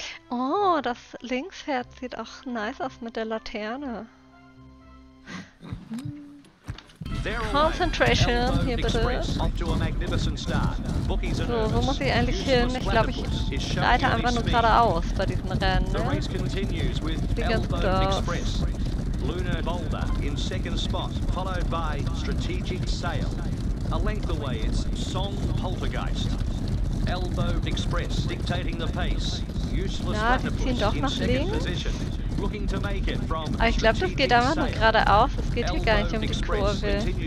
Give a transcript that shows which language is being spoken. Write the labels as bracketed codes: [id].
[de] Oh, das Linkspferd sieht auch nice aus mit der Laterne. Concentration hier bitte. So, wo muss ich eigentlich hin? Ich glaube, ich leite einfach nur geradeaus bei diesem Rennen. Ne? Sieht ganz gut aus. [en] Lunar Boulder in second spot, followed by Strategic Sail. A length away, it's Song Poltergeist. Elbow Express dictating the pace. Useless Platypus in second position. Looking to make it from Strategic Sail. [de] Aber ich glaube, das geht einfach nur geradeaus. Es geht hier gar nicht um die Kurve.